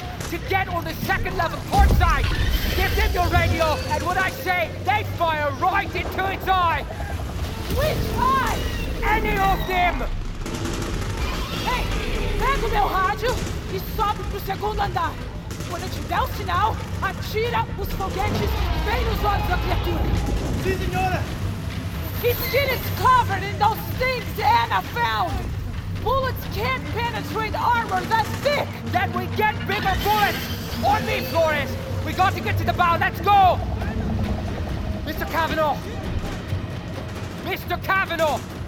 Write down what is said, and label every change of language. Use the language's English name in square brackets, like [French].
[English] To get on the second level port side. Give them your radio, and when I say, they fire right into its eye. Which eye? Any of them. [Portuguese] Hey, pega o meu rádio e sobe pro segundo andar. Quando eu tiver o sinal, atira os foguetes bem nos olhos da criatura. Sim, senhora. [English] His skin is covered in those things Anna found. Bullets can't penetrate armor that thick! Then we get bigger bullets! On me, Flores! We got to get to the bow, let's go! Mr. Cavanaugh! Mr. Cavanaugh!